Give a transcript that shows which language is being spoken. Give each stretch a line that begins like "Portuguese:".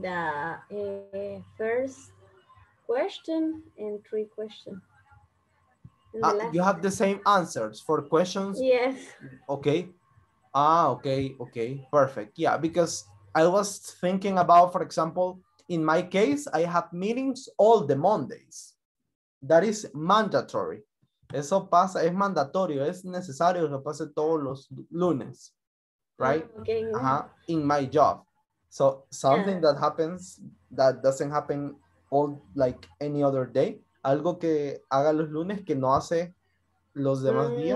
English: The first question and three questions. You have the same answers for questions? Yes. Okay. Okay. Perfect. Yeah, because I was thinking about, for example, in my case, I have meetings all the Mondays. That is mandatory.
Spanish: Eso pasa, es mandatorio, es necesario que pase todos los lunes, right?
English: Okay. Uh-huh. In my job. So something that happens that doesn't happen all like any other day.
Spanish: Algo que haga los lunes que no hace los demás días.